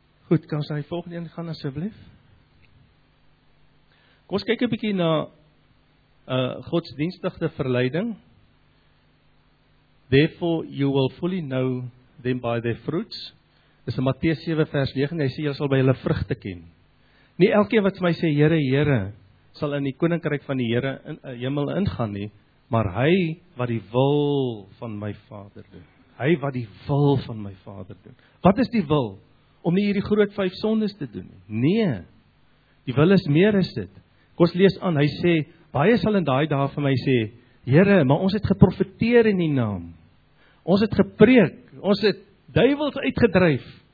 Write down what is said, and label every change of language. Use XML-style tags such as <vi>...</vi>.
<af>Goed, kan ons na die volgende een gaan, asseblief? Kom ons kyk 'n bietjie na godsdienstige verleiding.</af> <en>Therefore, you will fully know them by their fruits.</en> <af>Dis in Matteus 7 vers 9, hy sê, jy sal by hulle vrugte ken. Nie elkeen wat my sê, Here, Here, sal in die koninkryk van die Here in die hemel ingaan nie, maar hy wat die wil van my Vader doen. Hy wat die wil van my Vader doen. Wat is die wil? Om nie hierdie groot 5 sondes te doen. Nee, die wil is meer as dit. Kom ons lees aan, hy sê, baie sal in daai dae vir my sê, Here, maar ons het geprofeteer in die naam. Ons het gepreek, ons het duivels uitgedryf.</af>